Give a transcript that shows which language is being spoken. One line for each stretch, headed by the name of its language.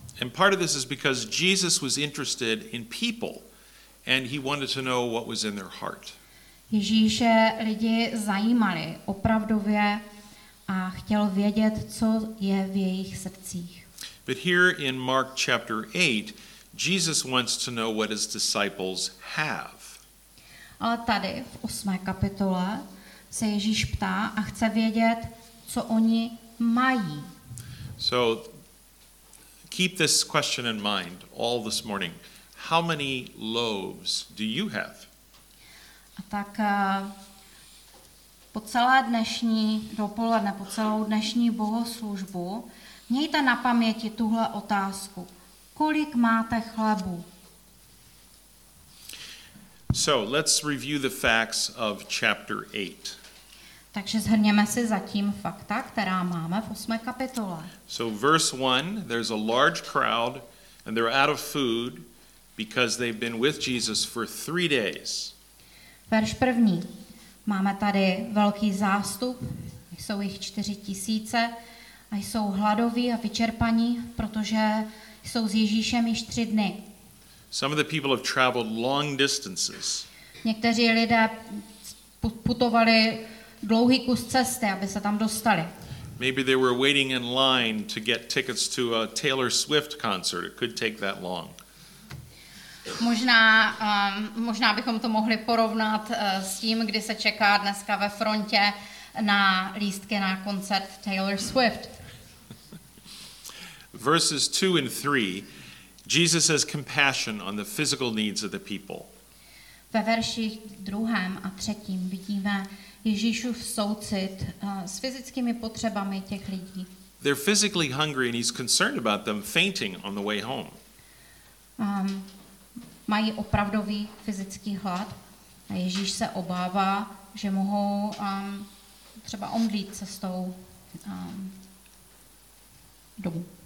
English: And part of this is because Jesus was interested in people and he wanted to know what was in their heart.
Czech: Ježíše lidi zajímali opravdově a chtěl vědět, co je v jejich srdcích.
English: But here in Mark chapter 8, Jesus wants to know what his disciples have.
Czech: Ale tady v 8. kapitole se Ježíš ptá a chce vědět, co oni mají.
English: So keep this question in mind all this morning. How many loaves do you have?
Czech: A tak po celé dnešní dopoledne, po celou dnešní bohoslužbu, mějte na paměti tuhle otázku. Kolik máte chlebu?
English: So, let's review the facts of chapter 8.
Czech: Takže shrněme si zatím fakta, která máme v 8. kapitole.
English: So, verse 1, there's a large crowd and they're out of food because they've been with Jesus for 3 days.
Czech: Verš 1. Máme tady velký zástup, jsou jich 4,000 a jsou hladoví a vyčerpaní, protože jsou s Ježíšem již 3 dny.
English: Some of the people have traveled long distances.
Czech: Někteří lidé putovali dlouhý kus cesty, aby se tam dostali.
English: Maybe they were waiting in line to get tickets to a Taylor Swift concert. It could take that long.
Czech: Možná bychom to mohli porovnat s tím, kdy se čeká dneska ve frontě na lístky na koncert Taylor Swift.
English: Verses 2 and 3, Jesus has compassion on the physical needs of the people.
Czech: Ve verších 2. a 3. vidíme Ježíšův soucit s fyzickými potřebami těch lidí.
English: They're physically hungry and he's concerned about them fainting on the way home.
Czech: Mají opravdový fyzický hlad a Ježíš se obává, že mohou třeba omdlít cestou domů.